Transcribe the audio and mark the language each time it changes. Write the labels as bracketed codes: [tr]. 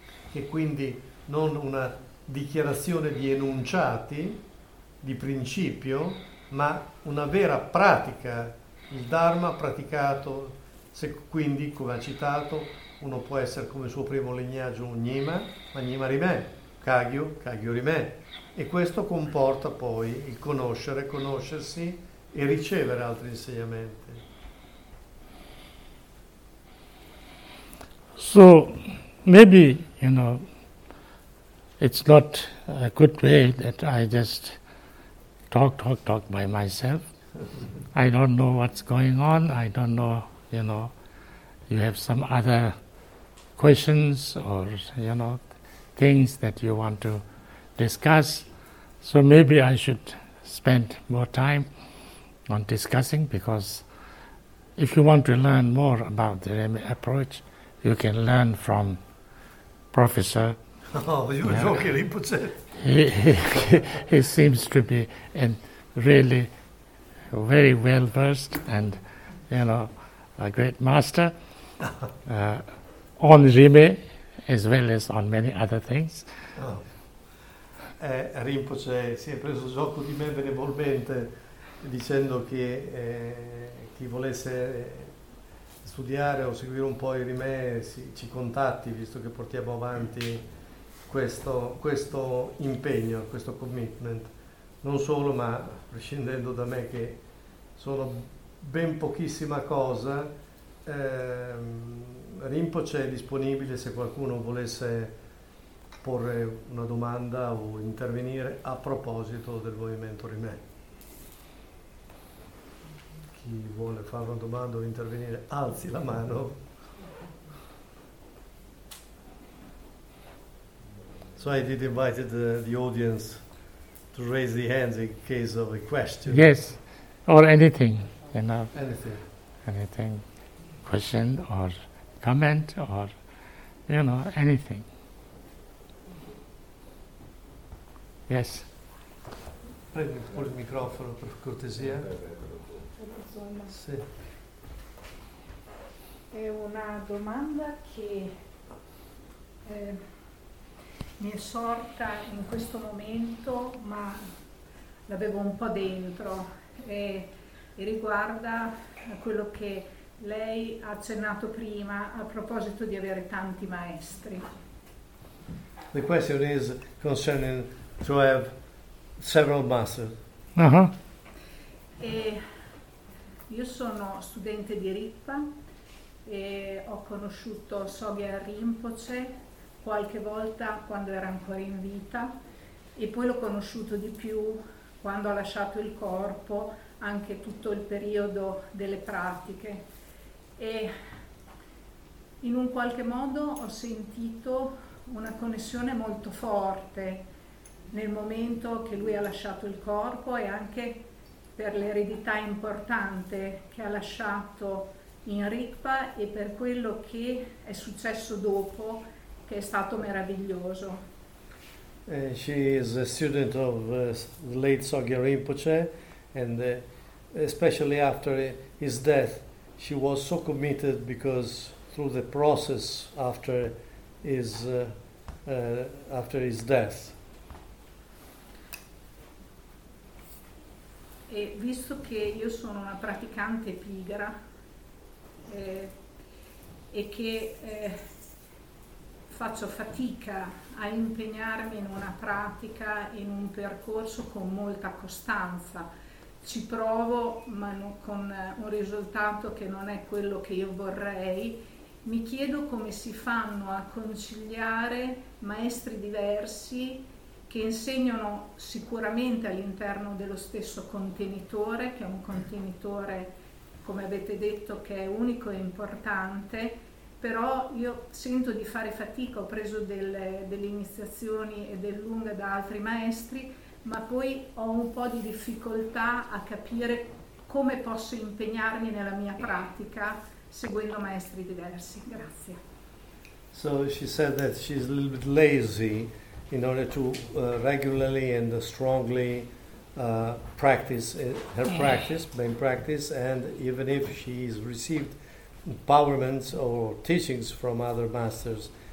[it] e quindi non una dichiarazione di enunciati, di principio, ma una vera pratica, il Dharma praticato, se quindi, come ha citato, uno può essere come suo primo lignaggio un Nyima, ma Nyima rimè, Kagyu, Kagyu rimè. E questo comporta poi il conoscere, conoscersi e ricevere altri insegnamenti. [en] So, maybe, you know, it's not a good way that I just talk by myself. I don't know what's going on. I don't know, you know, you have some other questions or, you know, things that you want to discuss. So maybe I should spend more time on discussing, because if you want to learn more about the Remi approach, you can learn from Professor. Oh, you're joking, Rinpoche. He seems to be in really very well versed and, you know, a great master on Rime as well as on many other things. Oh. [it] Rinpoche si è preso gioco di me benevolmente dicendo che chi volesse studiare o seguire un po' i Rime ci contatti, visto che portiamo avanti questo impegno, questo commitment, non solo, ma prescindendo da me, che sono ben pochissima cosa, Rinpoche è disponibile se qualcuno volesse porre una domanda o intervenire a proposito del movimento Rime. Chi vuole fare una domanda o intervenire, alzi la mano. [en] So I did invite the audience to raise the hands in case of a question. Yes, or anything, you know. Anything. Anything, question or comment or, you know, anything. Yes. [it] Prendi pure il microfono per cortesia. Sì. È una domanda che mi è sorta in questo momento, ma l'avevo un po' dentro, e riguarda quello che lei ha accennato prima a proposito di avere tanti maestri. [en] The question is concerning to have several masters. Uh-huh. [it] E io sono studente di Rigpa e ho conosciuto Sogyal Rinpoche qualche volta quando era ancora in vita, e poi l'ho conosciuto di più quando ha lasciato il corpo, anche tutto il periodo delle pratiche. E in un qualche modo ho sentito una connessione molto forte nel momento che lui ha lasciato il corpo, e anche per l'eredità importante che ha lasciato in Rigpa e per quello che è successo dopo, che è stato meraviglioso. [en] She is a student of the late Sogyal Rinpoche, and especially after his death, she was so committed, because through the process after his death. [it] E visto che io sono una praticante pigra e che faccio fatica a impegnarmi in una pratica, in un percorso con molta costanza. Ci provo, ma con un risultato che non è quello che io vorrei. Mi chiedo come si fanno a conciliare maestri diversi che insegnano sicuramente all'interno dello stesso contenitore, che è un contenitore, come avete detto, che è unico e importante, però io sento di fare fatica, ho preso delle iniziazioni e del lunga da altri maestri, ma poi ho un po' di difficoltà a capire come posso impegnarmi nella mia pratica seguendo maestri diversi. Grazie. [en] So she said that she's a little bit lazy in order to regularly and strongly practice her practice, main practice, and even if she's received empowerments or teachings from other masters,